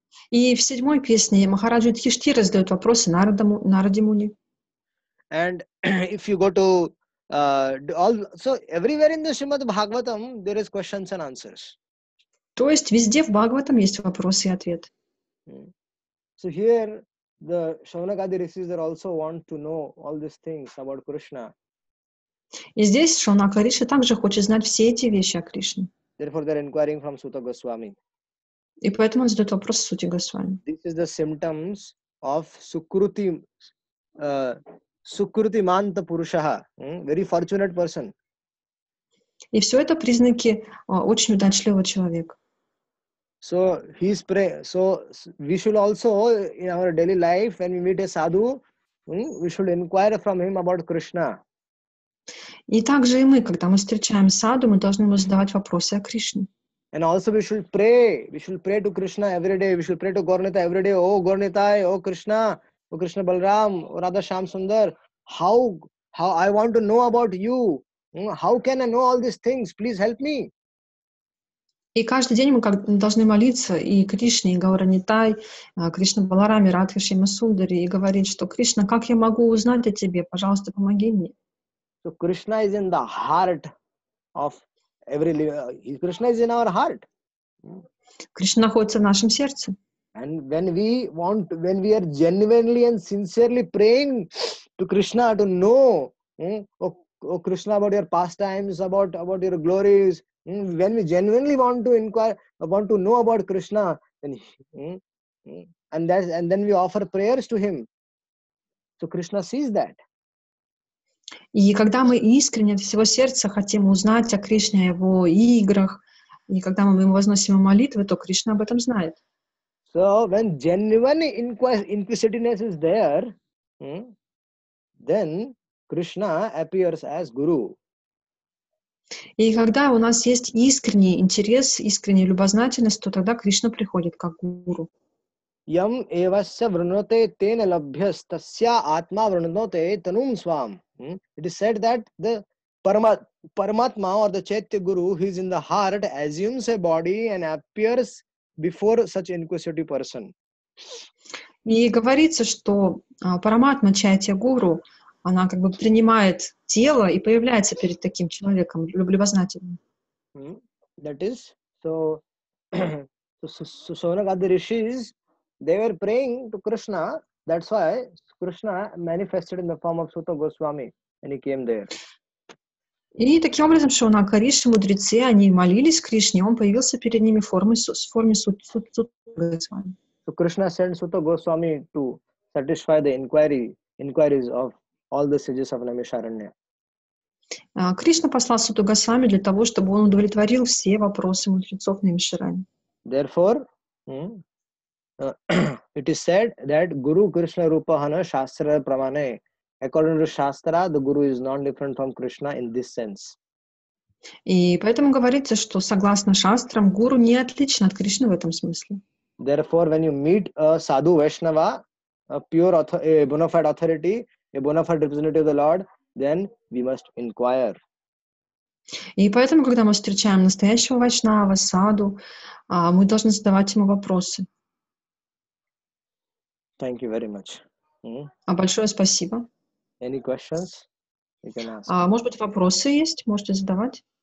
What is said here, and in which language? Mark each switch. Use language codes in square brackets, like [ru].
[ru] И в седьмой песне Махараджу Юдхиштхира задает вопросы Нараду, Нараде Муни. [en] And if you go to so everywhere in the Srimad Bhagavatam there is questions and answers. [ru] То есть везде в Бхагаватам есть вопрос и ответ. [en] So here the Shaunagadi rishis also want to know all these things about Krishna. [ru] И здесь Шаунака риши также хочет знать все эти вещи о Кришне. [en] Therefore they're inquiring from Сута Госвами. [ru] И поэтому он задает вопрос Сути Госвами. [en] This is the symptoms of Sukruti, [sa] Sukruti Manta Purushaha, [en] very fortunate person. [ru] И все это признаки очень удачливого человека. [en] So he is praying. So we should also in our daily life when we meet a sadhu, we should inquire from him about Krishna. [ru] И также и мы, когда мы встречаем саду, мы должны ему задавать вопросы о Кришне. [en] And also we should pray. We should pray to Krishna every day. We should pray to Gornita every day. Oh Gornitai, oh Krishna, oh Krishna Balram, oh Radha Shyam Sundar. How I want to know about you. How can I know all these things? Please help me. [ru] И каждый день мы должны молиться и Кришне, и Гауранитай, Кришна Баларами, Радха Шима Сундари, и говорить, что Кришна, как я могу узнать о тебе? Пожалуйста, помоги мне. [en] So Krishna is in the heart of every living. Krishna is in our heart. [ru] Кришна находится в нашем сердце. [en] And when we are genuinely and sincerely praying to Krishna to know, oh Krishna, about your pastimes, about your glories, when we genuinely want to inquire, want to know about Krishna, then we offer prayers to him. So Krishna sees that. [ru] И когда мы искренне от всего сердца хотим узнать о Кришне, о его играх, и когда мы ему возносим молитвы, то Кришна об этом знает. [en] So when genuine inquisitiveness is there, then Krishna appears as Guru. [ru] И когда у нас есть искренний интерес, искренняя любознательность, то тогда Кришна приходит как гуру. [sa] Yam evasya vrnote tena labhyas tasya atma vrnote tanum swam. [en] It is said that the Paramatma or the Chaitya Guru who is in the heart assumes a body and appears before such inquisitive person. [ru] И говорится, что Параматма Чайтья Гуру, она как бы принимает тело и появляется перед таким человеком, любознательным. [en] That is, so Shaunagadi rishis, they were praying to Krishna, that's why Krishna manifested in the form of Suta Goswami, and he came there. [ru] И таким образом Шаунака риши, мудрецы, они молились Кришне, он появился перед ними в форме Сута Госвами. [en] So Krishna sent Suta Goswami to satisfy the inquiries of all the sages of Namisharanya. [ru] Кришна послал Суту Госвами для того, чтобы он удовлетворил все вопросы мудрецов Намишарани. [en] Therefore, it is said that [sa] Guru Krishna Rupahana Shastra Pramane. [en] According to Shastra, the Guru is non-different from Krishna in this sense. [ru] И поэтому говорится, что согласно Шастрам, Гуру не отличен от Кришны в этом смысле. [en] Therefore, when you meet a Sadhu Vaishnava, a pure, author, a bona fide authority, a bona fide representative of the Lord, then we must inquire. [ru] И поэтому, когда мы встречаем настоящего Вайшнава, саду, мы должны задавать ему вопросы. [en] Thank you very much. [ru] Большое спасибо. [en] Any questions? You can ask. [ru] Может быть, вопросы есть? Можете задавать?